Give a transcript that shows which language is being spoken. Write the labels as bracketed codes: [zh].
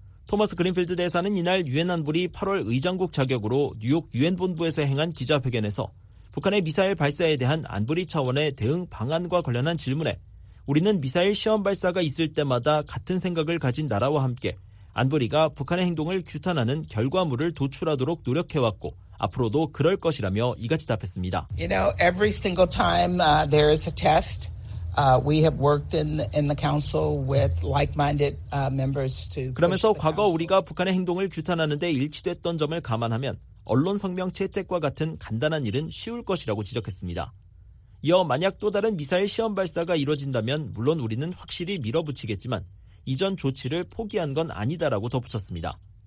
[ko] 토마스 그린필드 대사는 이날 유엔 안보리 8월 의장국 자격으로 뉴욕 유엔 본부에서 행한 기자회견에서 북한의 미사일 발사에 대한 안보리 차원의 대응 방안과 관련한 질문에 우리는 미사일 시험 발사가 있을 때마다 같은 생각을 가진 나라와 함께 안보리가 북한의 행동을 규탄하는 결과물을 도출하도록 노력해왔고 앞으로도 그럴 것이라며 이같이 답했습니다. [en] You know, every single time there is a test, we have worked in the council with like-minded members to. [ko] 그러면서 과거 우리가 북한의 행동을 규탄하는데 일치됐던 점을 감안하면 언론 성명 채택과 같은 간단한 일은 쉬울 것이라고 지적했습니다. 이어 만약 또 다른 미사일 시험 발사가 이뤄진다면 물론 우리는 확실히 밀어붙이겠지만 이전 조치를 포기한 건 아니다라고 덧붙였습니다.